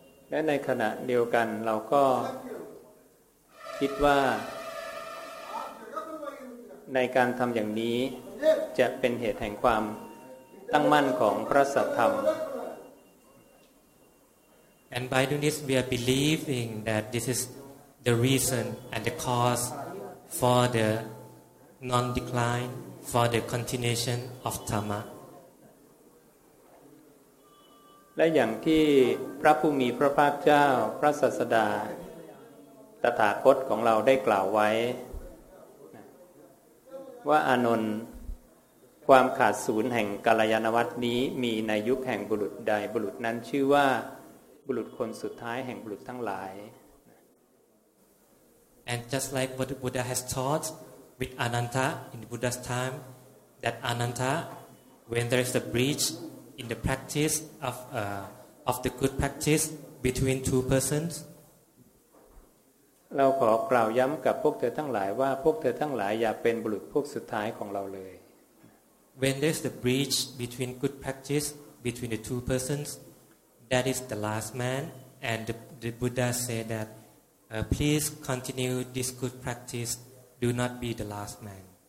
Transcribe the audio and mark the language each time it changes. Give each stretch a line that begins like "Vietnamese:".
Thai: และในขณะเดียวกันเราก็คิดว่าในการทำอย่างนี้จะเป็นเหตุแห่งความ ตั้งมั่นของพระสัทธรรม
English: And by doing this we are believing that this is the reason and the cause for the non-decline for the continuation of Dhamma
Thai: และอย่างที่พระผู้มีพระภาคเจ้าพระศาสดาตถาคตของเราได้กล่าวไว้ว่าอานนท์ความขาดศูนย์แห่งกัลยาณวัตรนี้มีในยุคแห่งบุรุษใดบุรุษนั้นชื่อว่าบุรุษคนสุดท้ายแห่งบุรุษทั้งหลาย
English: And just like what the Buddha has taught with Ananta in Buddha's time that Ananta when there is a breach in the practice of the good practice between two persons
Thai: เราขอกล่าวย้ำกับพวกเธอทั้งหลายว่าพวกเธอทั้งหลายอย่าเป็นบุรุษพวกสุดท้ายของเราเลย
English: When there's the breach between good practice between the two persons that is the last man and the Buddha said thatplease continue this good practice do not be the last man